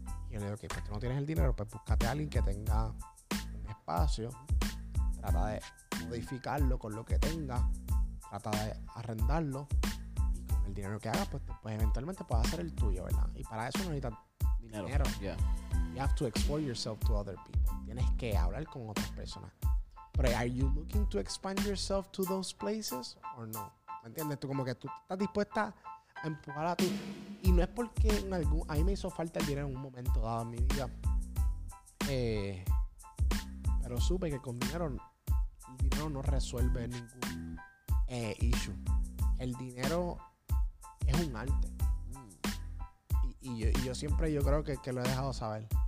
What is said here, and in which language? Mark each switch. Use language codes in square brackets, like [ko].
[es] Yo le digo, ok, pues tú no tienes el dinero, pues búscate a alguien que tenga un espacio, trata de modificarlo con lo que tenga, trata de arrendarlo, y con el dinero que hagas, pues eventualmente puedas hacer el tuyo, ¿verdad? Y para eso no necesitas dinero. [en] Yeah. You have to expose yourself to other people. [es] Tienes que hablar con otras personas. Pero [en] are you looking to expand yourself to those places or no? [es] ¿Me entiendes? Tú como que tú estás dispuesta a empujar a tu... Y no es porque a mí me hizo falta el dinero en un momento dado en mi vida. Pero supe que con dinero, el dinero no resuelve ningún [en] issue. [es] El dinero es un arte. Y yo creo que lo he dejado saber.